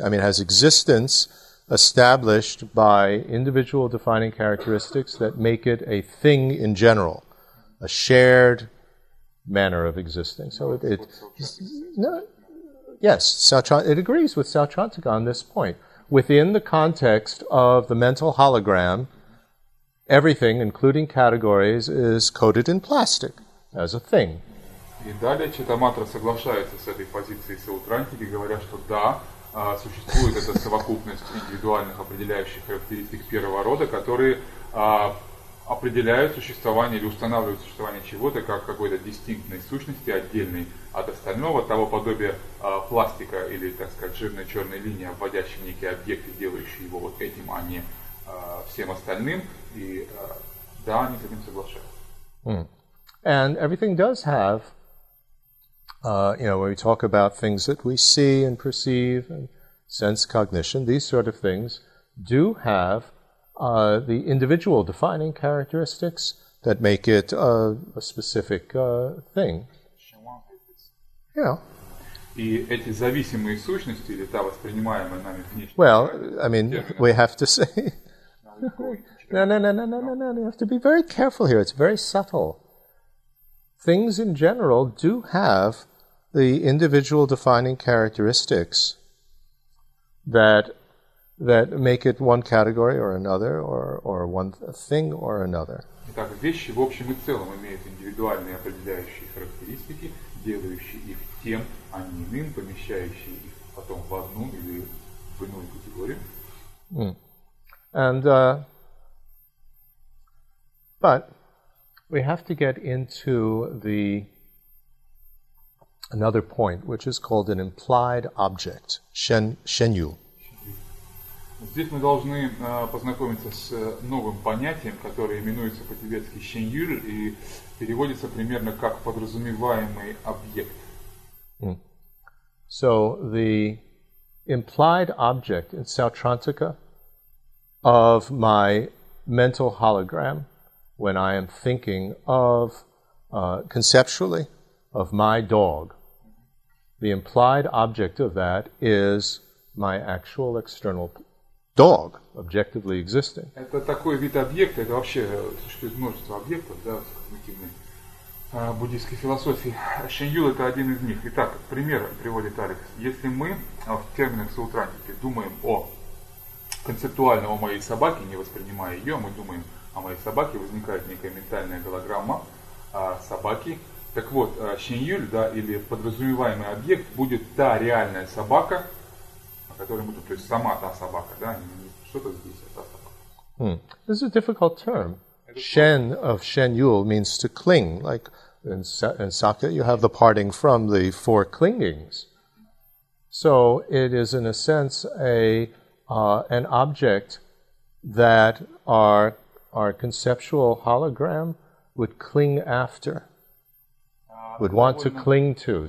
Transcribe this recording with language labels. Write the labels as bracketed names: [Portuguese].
[English] I mean, has existence established by individual defining characteristics that make it a thing in general, a shared manner of existing. So it agrees with Sauchantika on this point. Within the context of the mental hologram, everything, including categories, is coated in plastic as a thing. [Russian] И далее Читаматра соглашается с этой позицией Саутрантики, говоря, что да, существует эта совокупность индивидуальных определяющих характеристик первого рода, которые определяют существование или устанавливают существование чего-то как какой-то дистинктной сущности, отдельной от остального, того подобия пластика или, так сказать, жирной черной линии, обводящей некий объект и делающий его вот этим, а не всем остальным. И да, они с этим соглашаются. [English] And everything does have when we talk about things that we see and perceive and sense cognition, these sort of things do have the individual defining characteristics that make it a specific thing. Yeah. [Russian] И эти зависимые сущности или та воспринимаемая нами внешняя. [English] Well, I mean, we have to say. No. You have to be very careful here. It's very subtle. Things in general do have the individual defining characteristics that make it one category or another, or one thing or another. [Russian] Итак, вещи в общем и целом имеют индивидуальные определяющие характеристики, делающие их тем, а не иным, помещающие их потом в одну или в иную категорию. [English] But we have to get into the another point, which is called an implied object, shenyu. [Russian] Здесь мы должны познакомиться с новым понятием, которое именуется по-тибетски shenyu и переводится примерно как подразумеваемый объект. [English] So the implied object in Sautrantika of my mental hologram, when I am thinking of conceptually of my dog, the implied object of that is my actual external dog, objectively existing. [Russian] Это такой вид объекта, это вообще существует множество объектов, да, в когнитивной буддийской философии. Шеньюл это один из них. Итак, пример приводит Алекс. Если мы в терминах саутрантики думаем о концептуально о моей собаке, не воспринимая ее, мы думаем о моей собаке, возникает некая ментальная голограмма собаки. Так вот, Шеньюль, да, или подразумеваемый объект будет та реальная собака, о которой мы тут, то есть сама та собака, да, не что-то здесь, а та собака. [English] This is a difficult term. Shen of Shenyul means to cling. Like in Sakya, you have the parting from the four clingings. So it is, in a sense, an object that our conceptual hologram would cling after, would want to cling to.